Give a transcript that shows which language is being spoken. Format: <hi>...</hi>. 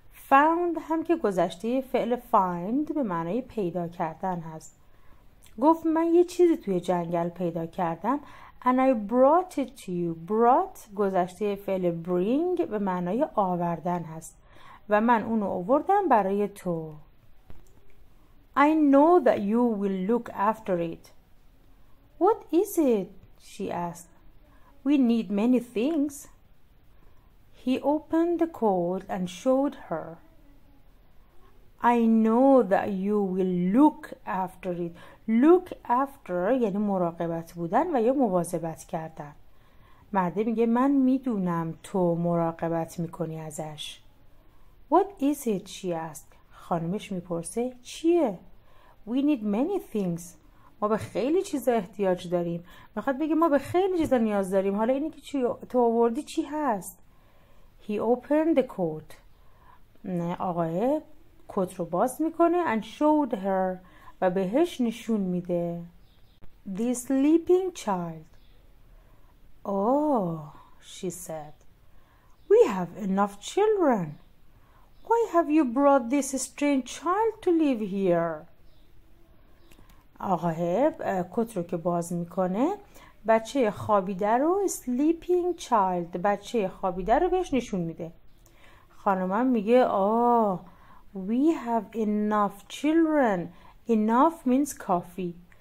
<fa>Found هم که گذشته فعل find به معنی پیدا کردن هست. گفت من یه چیزی توی جنگل پیدا کردم.</fa> <en>And I brought it to you.</en> <fa>Brought گذشته فعل bring به معنی آوردن هست. و من اونو آوردم برای تو.</fa> <en>I know that you will look after it. What is it? She asked. We need many things. He opened the coat and showed her. I know that you will look after it.</en> <fa>Look after یعنی مراقبت بودن و یا مواظبت کردن. مرد میگه من میدونم تو مراقبت میکنی ازش.</fa> <en>What is it? She asked.</en> <fa>خانمش میپرسه چیه؟</fa> <en>We need many things.</en> <fa>ما به خیلی چیزا احتیاج داریم. میخواد بگه ما به خیلی چیزا نیاز داریم. حالا اینی که تو آوردی چی هست؟</fa> <en>He opened the coat.</en> <fa>نه آقایه کت رو باز میکنه</fa> <en>and showed her</en> <fa>و بهش نشون میده.</fa> <en>The sleeping child. Oh, she said. We have enough children. Why have you brought this strange child to live here?</en> <fa>آقاه کت رو که باز میکنه بچه خوابیده رو</fa> <en>sleeping child</en> <fa>بچه خوابیده رو بهش نشون میده. خانمم میگه آه</fa> <en>we have enough children. Enough means کافی.</en>